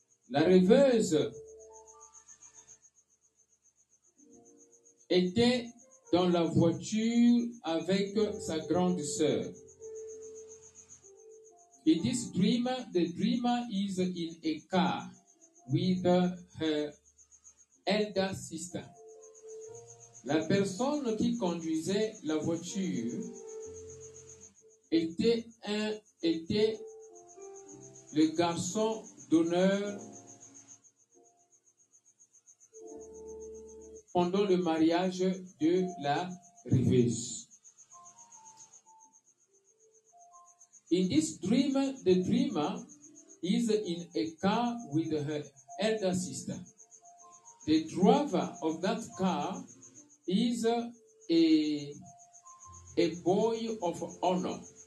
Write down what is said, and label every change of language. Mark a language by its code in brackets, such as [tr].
[fr] La rêveuse était dans la voiture avec sa grande sœur. [en] In this dream, the dreamer is in a car with her elder sister. [fr] La personne qui conduisait la voiture était le garçon d'honneur pendant le mariage de la REVES. [en] In this dream, the dreamer is in a car with her elder sister. The driver of that car is a boy of honor.